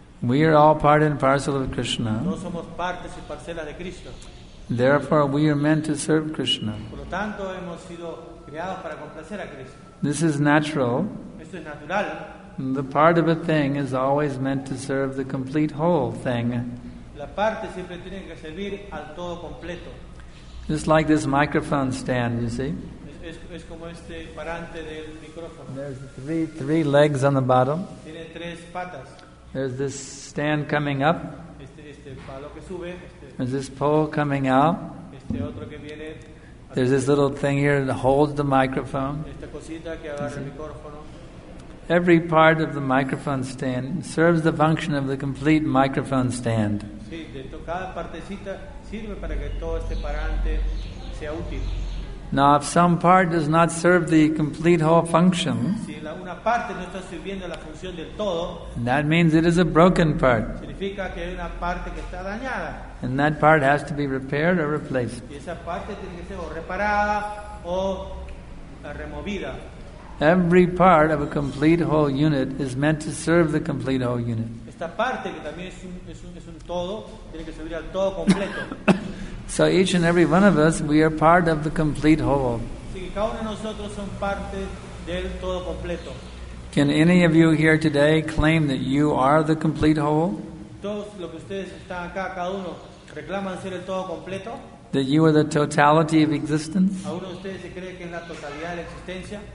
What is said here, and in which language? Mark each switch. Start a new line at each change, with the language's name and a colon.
English: We are all part and parcel of Krishna.
Spanish: Todos somos partes y parcelas de Krishna.
English: Therefore, we are meant to serve Krishna.
Spanish: Por lo tanto, hemos sido creados para complacer a Krishna.
English: This is natural.
Spanish: Esto es natural.
English: The part of a thing is always meant to serve the complete whole thing.
Spanish: La parte siempre tiene que servir al todo completo.
English: Just like this microphone stand, you see.
Spanish: Es como este parante del micrófono.
English: There's three legs on the bottom.
Spanish: Tiene tres patas.
English: There's this stand coming up.
Spanish: Este palo que sube,
English: There's this pole coming out.
Spanish: Otro que viene.
English: There's this little thing here that holds the microphone.
Spanish: Esta cosita que agarra el micrófono.
English: Every part of the microphone stand serves the function of the complete microphone stand.
Spanish: Sí, de cada partecita sirve para que todo este parante sea útil.
English: Now, if some part does not serve the complete whole function,
Spanish: si una parte no está sirviendo la función del todo,
English: that means it is a broken part.
Spanish: Significa que hay una parte que está dañada.
English: And that part has to be repaired or replaced.
Spanish: Y esa parte tiene que ser o reparada o removida.
English: Every part of a complete whole unit is meant to serve the complete whole unit.
Spanish: Esta parte que también es un todo tiene que servir al todo completo.
English: So each and every one of us, we are part of the complete whole.
Spanish: Sí, cada uno de nosotros son parte del todo completo.
English: Can any of you here today claim that you are the complete whole?
Spanish: Todos los que ustedes están acá, cada uno reclaman ser el todo completo.
English: That you are the totality of existence?
Spanish: ¿A uno de ustedes se cree que es la totalidad de la existencia?